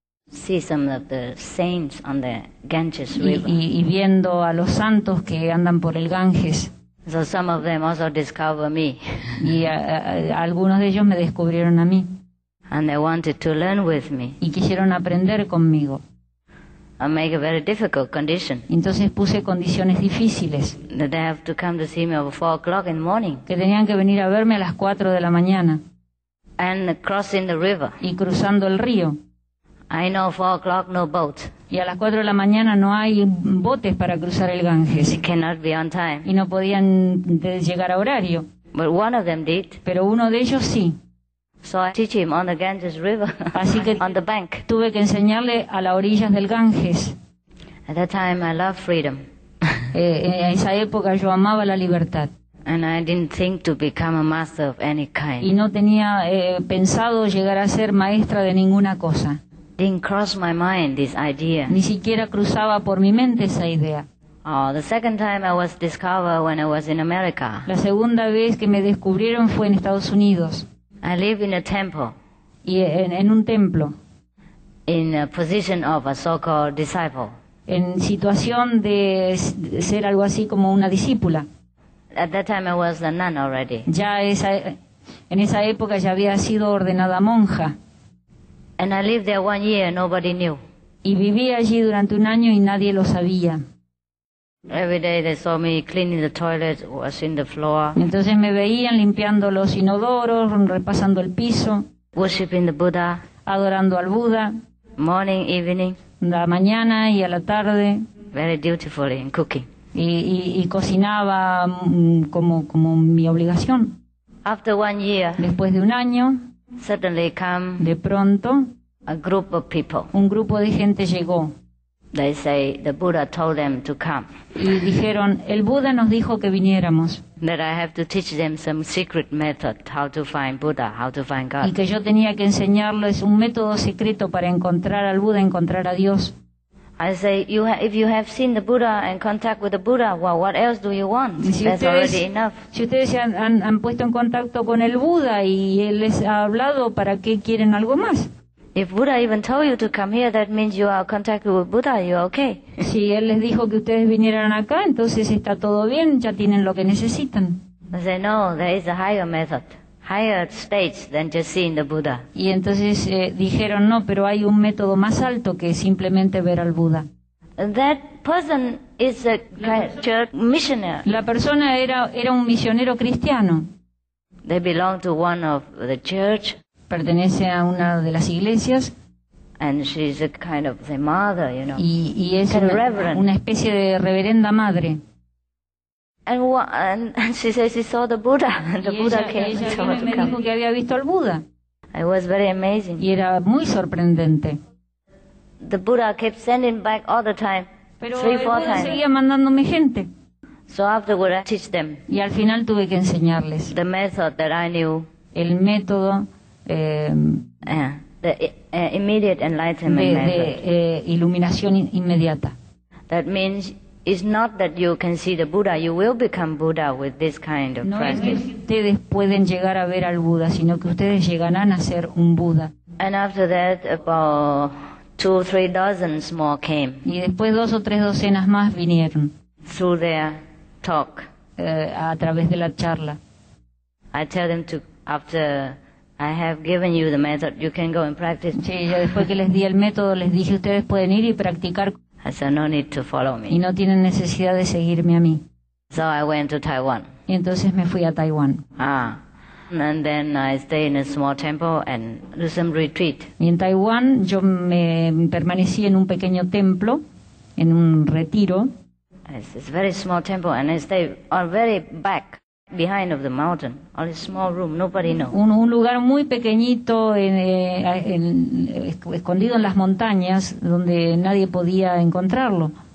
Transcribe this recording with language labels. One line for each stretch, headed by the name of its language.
English: See some of the saints on the Ganges River.
Spanish: Y viendo a los santos que andan por el Ganges.
English: So some of them also discover me.
Spanish: Algunos de ellos me descubrieron a mí.
English: And they wanted to learn with me.
Spanish: Y quisieron aprender conmigo.
English: I make a very difficult condition.
Spanish: Entonces puse condiciones difíciles.
English: That they have to come to see me at 4 o'clock in the morning.
Spanish: Que tenían que venir a verme a las 4 de la mañana.
English: And crossing the river.
Spanish: Y cruzando el río.
English: I know 4 o'clock no boat.
Spanish: Y a las 4 de la mañana no hay botes para cruzar el Ganges.
English: They cannot be on time.
Spanish: Y no podían llegar a horario.
English: But one of them did.
Spanish: Pero uno de ellos sí.
English: So I teach him on the Ganges River.
Spanish: Así que
English: on the bank.
Spanish: Tuve que enseñarle a las orillas del Ganges.
English: At that time I loved freedom.
Spanish: En esa época yo amaba la libertad.
English: And I didn't think to become a master of any kind.
Spanish: Y no tenía pensado llegar a ser maestra de ninguna cosa.
English: Didn't cross my mind this idea.
Spanish: Ni siquiera cruzaba por mi mente esa idea.
English: Oh, the second time I was discovered when I was in America.
Spanish: La segunda vez que me descubrieron fue en Estados Unidos.
English: I live in a temple.
Spanish: Y en un templo.
English: In a position of a so-called disciple.
Spanish: En situación de ser algo así como una discípula.
English: At that time I was a nun already.
Spanish: Ya en esa época ya había sido ordenada monja.
English: And I lived there 1 year, nobody knew.
Spanish: Y viví allí durante un año y nadie lo sabía.
English: Every day they saw me cleaning the toilet, washing the floor.
Spanish: Entonces me veían limpiando los inodoros, repasando el piso.
English: Worshiping the Buddha.
Spanish: Adorando al Buda.
English: Morning, evening.
Spanish: La mañana y a la tarde.
English: Very dutifully in cooking.
Spanish: Y cocinaba como mi obligación.
English: After 1 year.
Spanish: Después de un año.
English: Suddenly come.
Spanish: De pronto,
English: a group of people.
Spanish: Un grupo de gente llegó.
English: They say the Buddha told them to come.
Spanish: Y dijeron, el Buda nos dijo que viniéramos.
English: That I have to teach them some secret method how to find Buddha, how to find God.
Spanish: Y que yo tenía que enseñarles un método secreto para encontrar al Buda, encontrar a Dios.
English: I say, if you have seen the Buddha and contact with the Buddha, well, what else do you want? That's already enough.
Spanish: Si ustedes han puesto en contacto con el Buda y él les ha hablado, ¿para qué quieren algo más?
English: If Buddha even told you to come here, that means you are contacted with Buddha, you're okay.
Spanish: Si él les dijo que ustedes vinieran acá, entonces está todo bien, ya tienen lo que necesitan.
English: I say, no, there is a higher method. Higher stage than just seeing the Buddha.
Spanish: Y entonces dijeron no, pero hay un método más alto que simplemente ver al Buda.
English: That person is a church missionary.
Spanish: La persona era un misionero cristiano.
English: They belong to one of the church.
Spanish: Pertenece a una de las iglesias.
English: And she's a kind of the mother, you know.
Spanish: Y es una especie de reverenda madre.
English: And she says she saw the Buddha, and the Buddha came.
Spanish: Ella me dijo que había visto al Buda.
English: It was very amazing.
Spanish: Y era muy sorprendente.
English: The Buddha kept sending back all the time,
Spanish: pero
English: three, four times.
Spanish: Pero el Buda seguía mandándome gente.
English: So afterward, I teach them.
Spanish: Y al final tuve que enseñarles.
English: The method that I knew.
Spanish: El método.
English: Immediate enlightenment
Spanish: method. De iluminación inmediata.
English: That means it's not that you can see the Buddha. You will become Buddha with this kind of practice.
Spanish: No es que ustedes pueden llegar a ver al Buda, sino que ustedes llegarán a ser un Buda.
English: And after that, about 2 or 3 dozens more came.
Spanish: Y después 2 o 3 docenas más vinieron.
English: Through their talk.
Spanish: A través de la charla.
English: I tell them to, after I have given you the method, you can go and practice.
Spanish: Sí, yo después que les di el método, les dije, ustedes pueden ir y practicar.
English: I said, no need to follow me.
Spanish: Y no tienen necesidad de seguirme a mí.
English: So I went to Taiwan.
Spanish: Y entonces me fui a Taiwan.
English: Ah, and then I stayed in a small temple and do some retreat.
Spanish: Y en Taiwan yo me permanecí en un pequeño templo, en un retiro.
English: It's a very small temple and I stayed on very back. Behind of the mountain, or a small room, nobody knows.
Spanish: Un lugar muy pequeñito, escondido en las montañas, donde nadie podía encontrarlo.